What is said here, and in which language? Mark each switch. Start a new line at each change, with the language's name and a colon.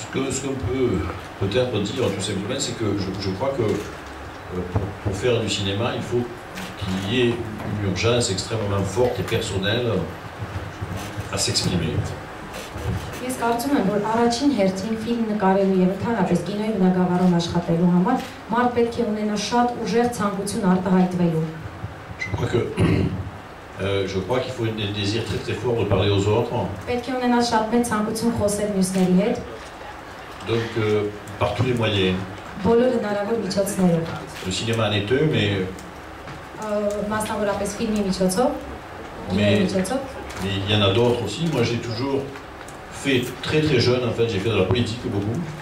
French: Ce qu'on peut peut-être dire tout simplement, c'est que je crois que pour faire du cinéma, il faut qu'il y ait une urgence extrêmement forte et personnelle à s'exprimer.
Armenian: Ես կարծում եմ, որ առաջին հերթին ֆիլմ նկարելու եւ ընդհանրապես կինոյի բնագավառում աշխատելու համար մարդ պետք է ունենա շատ ուժեղ ցանկություն արտահայտվելու։
French: Je crois qu'il faut un désir très très fort de parler aux autres.
Armenian: Պետք է ունենա շատ մեծ ցանկություն խոսել մյուսների հետ։
French: Donc, par tous les moyens. Le cinéma en est un, mais il y en a d'autres aussi. Moi, j'ai toujours fait très très jeune, en fait, j'ai fait de la politique beaucoup.